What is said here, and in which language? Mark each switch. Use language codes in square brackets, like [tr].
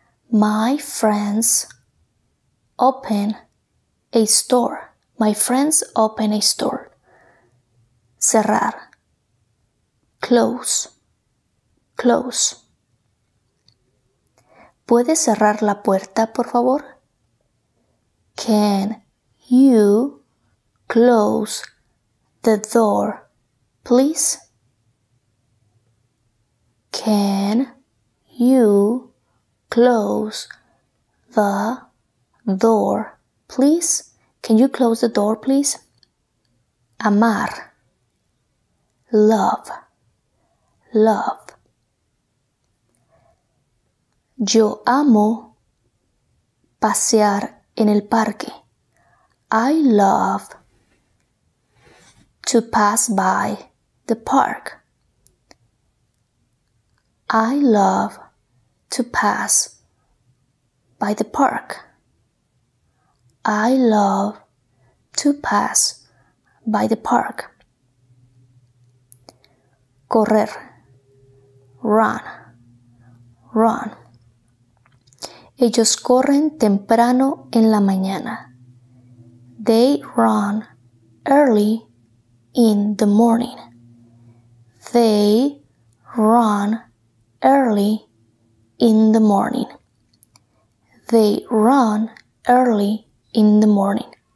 [en] My friends open a store. My friends open a store. Cerrar. Close. Close. [es] ¿Puedes cerrar la puerta, por favor? [en] Can you close the door, please? Can you close the door, please? Can you close the door, please? Amar. Love. Love. [es] Yo amo pasear en el parque. [en] I love to pass by the park. I love to pass by the park. I love to pass by the park. Correr. Run. Run. [es] Ellos corren temprano en la mañana. [en] They run early in the morning. They run early in the morning. They run early in the morning.